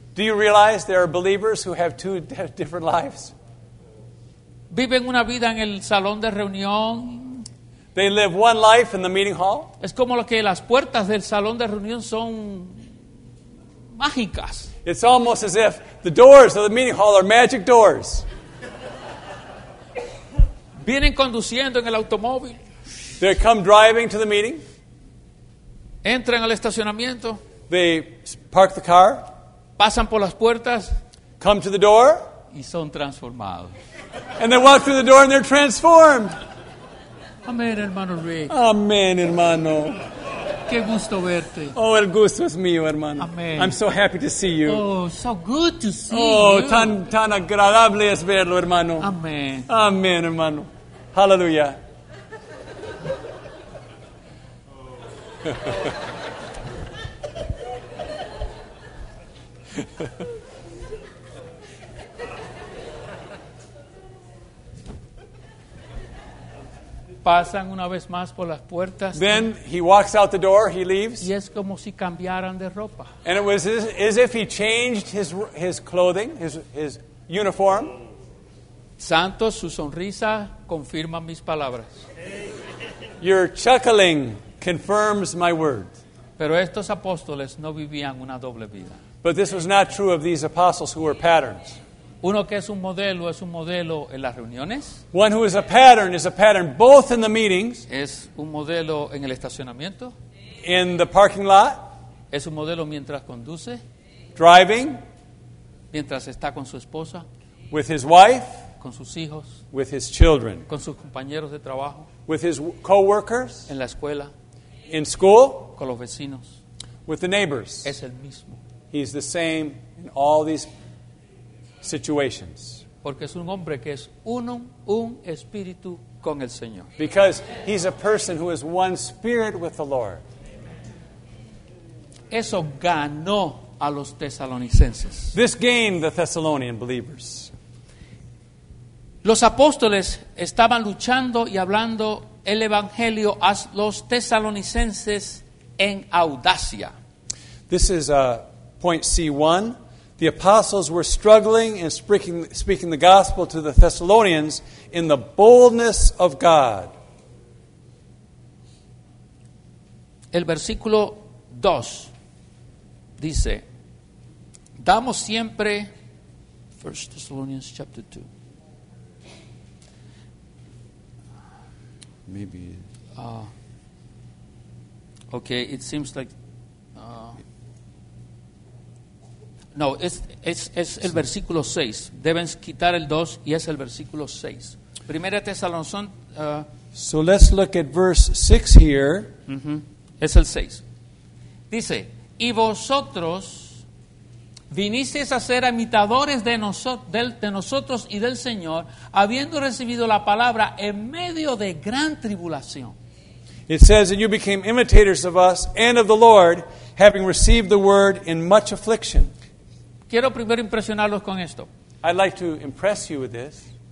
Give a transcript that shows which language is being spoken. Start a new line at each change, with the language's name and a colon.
English: Do you realize there are believers who have two different lives?
Spanish: Viven una vida en el salón de reunión.
English: They live one life in the meeting hall.
Spanish: Es como lo que las puertas del salón de reunión son mágicas.
English: It's almost as if the doors of the meeting hall are magic doors.
Spanish: Vienen conduciendo en el automóvil.
English: They come driving to the meeting.
Spanish: Entran al estacionamiento.
English: They park the car.
Spanish: Pasan por las puertas.
English: Come to the door.
Spanish: Y son transformados.
English: And they walk through the door and they're transformed.
Spanish: Amén, hermano Rick. Amén, hermano. Qué gusto verte. Oh, el gusto es mío, hermano. Amén.
English: I'm so happy to see you. Oh, so good to see you.
Spanish: Oh, tan agradable es verlo, hermano. Amén. Amén, hermano. Hallelujah. Pasan una vez más por las puertas.
English: Then he walks out the door, he leaves.
Spanish: Y es como si cambiaran de ropa.
English: And it was as if he changed his clothing, his uniform.
Spanish: Santos, su sonrisa confirma mis palabras.
English: Your chuckling confirms my words.
Spanish: Pero estos apóstoles no vivían una doble vida.
English: But this was not true of these apostles who were patterns.
Spanish: Uno que es un modelo es un modelo en las reuniones.
English: One who is a pattern both in the meetings.
Spanish: Es un modelo en el estacionamiento.
English: In the parking lot.
Spanish: Es un modelo mientras conduce.
English: Driving.
Spanish: Mientras está con su esposa.
English: With his wife.
Spanish: Con sus hijos.
English: With his children.
Spanish: Con sus compañeros de trabajo.
English: With his coworkers.
Spanish: En la escuela.
English: In school.
Spanish: Con los vecinos.
English: With the neighbors.
Spanish: Es el mismo.
English: He's the same in all these situations.
Spanish: Porque es un hombre que es un espíritu con el Señor.
English: Because he's a person who is one spirit with the Lord.
Spanish: Eso ganó a los tesalonicenses.
English: This gained the Thessalonian believers.
Spanish: Los apóstoles estaban luchando y hablando el evangelio a los tesalonicenses en audacia.
English: This is point C1. The apostles were struggling and speaking the gospel to the Thessalonians in the boldness of God.
Spanish: El versículo 2 dice, damos siempre,
English: 1 Thessalonians chapter 2. Maybe. Okay, it seems like...
Spanish: No, es el versículo 6. Deben quitar el 2 y es el versículo 6. Primera Tesalonicenses.
English: So let's look at verse 6 here.
Spanish: Uh-huh. Es el 6. Dice, y vosotros vinisteis a ser imitadores de nosotros y del Señor, habiendo recibido la palabra en medio de gran tribulación.
English: It says that you became imitators of us and of the Lord, having received the word in much affliction.
Spanish: Quiero primero impresionarlos con esto.
English: I'd like to impress you with this.